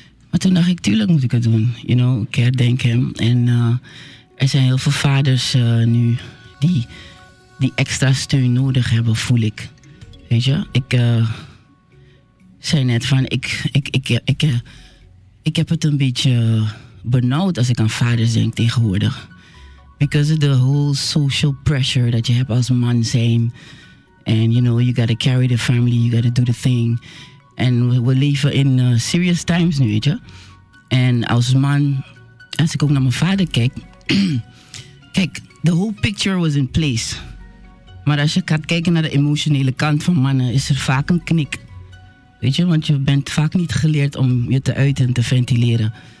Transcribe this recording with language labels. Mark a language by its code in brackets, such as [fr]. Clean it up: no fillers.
[nl] Maar toen dacht ik, tuurlijk moet ik het doen. [en] You know, [nl] ik herdenk hem. En er zijn heel veel vaders nu die extra steun nodig hebben, voel ik. Weet je, ik zei net van, ik heb het een beetje benauwd als ik aan vaders denk tegenwoordig. [en] Because of the whole social pressure [nl] dat je hebt als man zijn. [en] And you know, you gotta carry the family, you gotta do the thing. [nl] And we leven in [en] serious times [nl] nu, weet je. En als man, als ik ook naar mijn vader kijk. Kijk, [en] the whole picture was in place. [nl] Maar als je gaat kijken naar de emotionele kant van mannen, is er vaak een knik. Weet je, want je bent vaak niet geleerd om je te uiten en te ventileren.